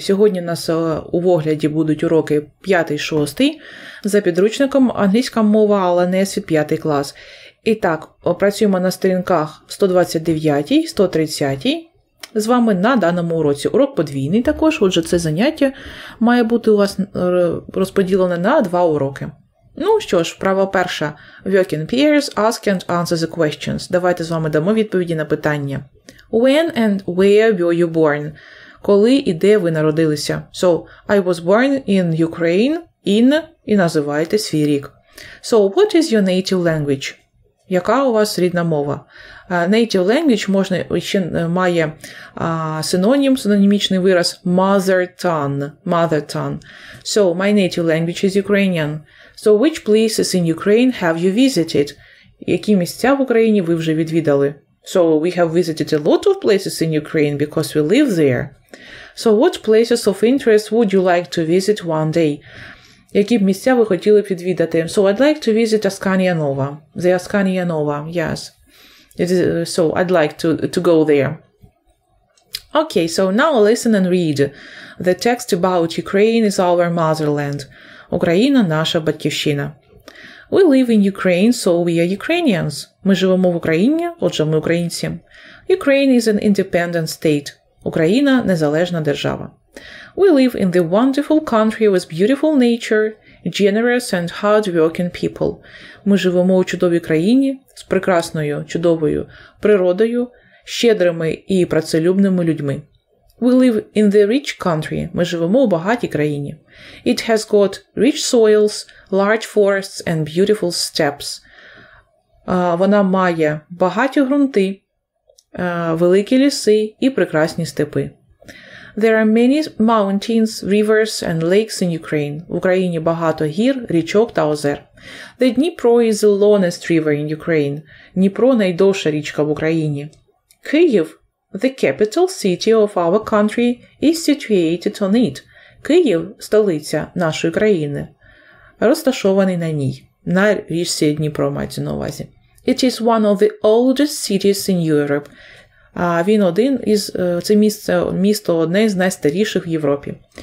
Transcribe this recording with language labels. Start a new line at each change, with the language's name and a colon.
Ukrainian: Сьогодні у нас у огляді будуть уроки 5-6 за підручником «Англійська мова, але не світ 5 клас». І так, працюємо на сторінках 129, 130 з вами на даному уроці. Урок подвійний також, отже це заняття має бути у вас розподілене на 2 уроки. Ну що ж, вправа перша.
English: Work in pairs, ask and answer the questions.
Ukrainian: Давайте з вами дамо відповіді на питання.
English: When and where were you born?
Ukrainian: Коли і де ви народилися?
English: So, I was born in Ukraine, in,
Ukrainian: і називаєте свій рік.
English: So, what is your native language?
Ukrainian: Яка у вас рідна мова? Native language можна ще має синонім, синонімічний вираз mother tongue. Mother tongue.
English: So, my native language is Ukrainian. So, which places in Ukraine have you visited?
Ukrainian: Які місця в Україні ви вже відвідали?
English: So, we have visited a lot of places in Ukraine because we live there. So, what places of interest would you like to visit one day?
Ukrainian: Які б місця ви хотіли б відвідати?
English: So, I'd like to visit Askania Nova. The Askania Nova, yes. So, I'd like to go there. Okay, so now listen and read. The text about Ukraine is our motherland.
Ukrainian: Україна – наша батьківщина.
English: We live in Ukraine, so we are Ukrainians.
Ukrainian: Ми живемо в Україні, отже ми українці.
English: Ukraine is an independent state.
Ukrainian: Україна – незалежна держава.
English: We live in the wonderful country with beautiful nature, generous and hard-working people.
Ukrainian: Ми живемо у чудовій країні з прекрасною, чудовою природою, щедрими і працелюбними людьми.
English: We live in the rich country.
Ukrainian: Ми живемо у багатій країні.
English: It has got rich soils, large forests and beautiful steppes.
Ukrainian: Вона має багаті ґрунти, великі ліси і прекрасні степи.
English: There are many mountains, rivers and lakes in Ukraine.
Ukrainian: В Україні багато гір, річок та озер.
English: The Dnipro is the longest river in Ukraine.
Ukrainian: Дніпро – найдовша річка в Україні.
English: Київ – the capital city of our country – is situated on it.
Ukrainian: Київ – столиця нашої країни. Розташований на ній, на річці Дніпро мається на увазі.
English: It is one of the oldest cities in Europe.
Ukrainian: Він один із, це місто одне з найстаріших в Європі.